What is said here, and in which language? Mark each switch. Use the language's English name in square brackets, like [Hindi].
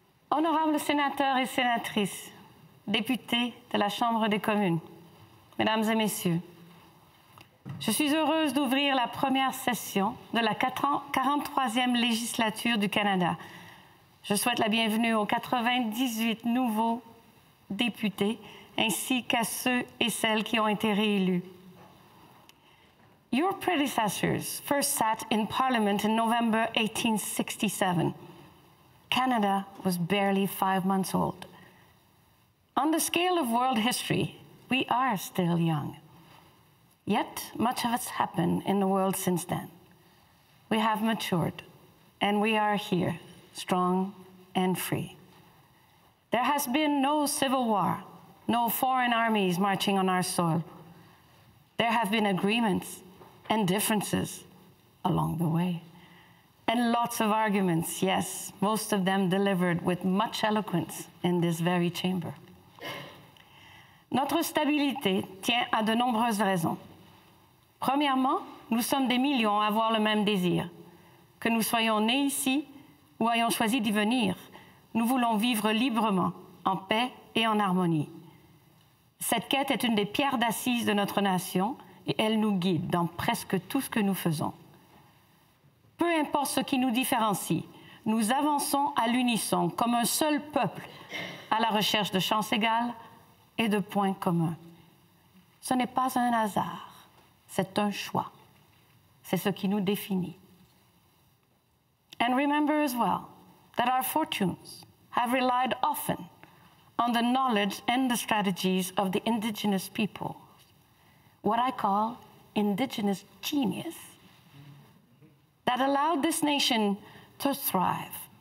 [French] Honorables sénateurs et sénatrices, députés de la Chambre des communes, mesdames et messieurs, je suis heureuse d'ouvrir la première session de la 43e législature du Canada. Je souhaite la bienvenue aux 98 nouveaux députés, ainsi qu'à ceux et celles qui ont été réélus. [English] Your predecessors first sat in Parliament in November 1867. Canada was barely 5 months old. On the scale of world history, we are still young. Yet, much has happened in the world since then. We have matured, and we are here, strong and free. There has been no civil war, no foreign armies marching on our soil. There have been agreements and differences along the way. And lots of arguments, yes, most of them delivered with much eloquence in this very chamber. [French] Notre stabilité tient à de nombreuses raisons. Premièrement, nous sommes des millions à avoir le même désir. Que nous soyons nés ici ou ayons choisi d'y venir, nous voulons vivre librement, en paix et en harmonie. Cette quête est une des pierres d'assises de notre nation et elle nous guide dans presque tout ce que nous faisons. Peu importe ce qui nous différencie, nous avançons à l'unisson comme un seul peuple à la recherche de chances égales et de points communs. Ce n'est pas un hasard, c'est un choix. C'est ce qui nous définit. [English] And remember as well that our fortunes have relied often on the knowledge and the strategies of the indigenous peoples, what I call indigenous genius, that allowed this nation to thrive.